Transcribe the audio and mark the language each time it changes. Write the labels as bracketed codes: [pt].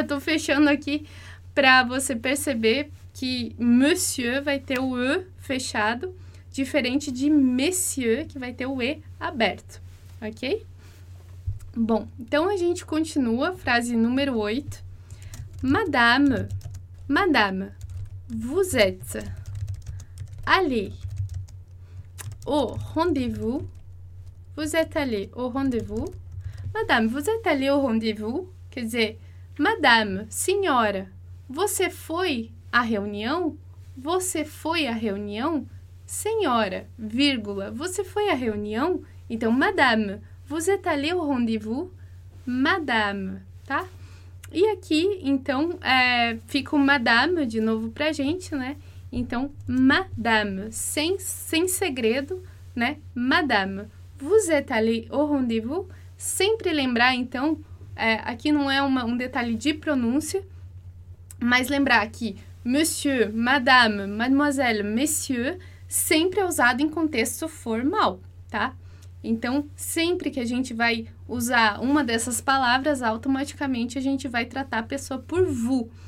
[pt] Eu tô fechando aqui para você perceber que monsieur vai ter o e fechado, diferente de messieurs, que vai ter o e aberto. Ok? Bom, então a gente continua, frase número 8. [fr] Madame, madame, vous êtes allée au rendez-vous. Vous êtes allée au rendez-vous. Madame, vous êtes allée au rendez-vous? [pt] Quer dizer, madame, senhora, você foi à reunião? Você foi à reunião? Senhora, vírgula, você foi à reunião? Então, [fr] madame, vous êtes allée au rendez-vous? [pt] Madame, tá? E aqui, então, fica o madame de novo pra gente, né? Então, madame, sem segredo, né? [fr] Madame, vous êtes allée au rendez-vous? [pt] Sempre lembrar, então, aqui não é um detalhe de pronúncia, mas lembrar que monsieur, madame, mademoiselle, messieurs, sempre é usado em contexto formal, tá? Então, sempre que a gente vai usar uma dessas palavras, automaticamente a gente vai tratar a pessoa por vous.